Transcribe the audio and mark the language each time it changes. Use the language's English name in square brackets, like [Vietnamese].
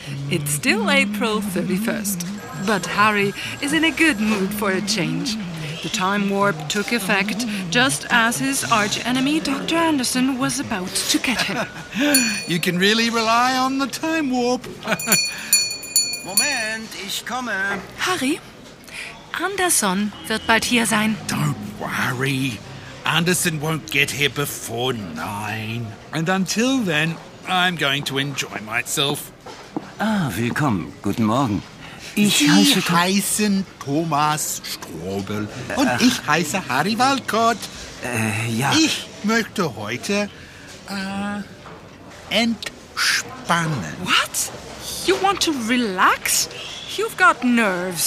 [English] It's still April 31st, but Harry is in a good mood for a change. The time warp took effect just as his arch-enemy Dr. Anderson was about to get him. You can really rely on the time warp. [German] Moment, ich komme. Harry, Anderson wird bald hier sein. [English] Don't worry. Anderson won't get here before 9. And until then, I'm going to enjoy myself. [German] Ah, willkommen. Guten Morgen. Sie heißen Thomas Strobel und ich heiße Harry Walcott. Ja. Ich möchte heute entspannen. [English] What? You want to relax? You've got nerves.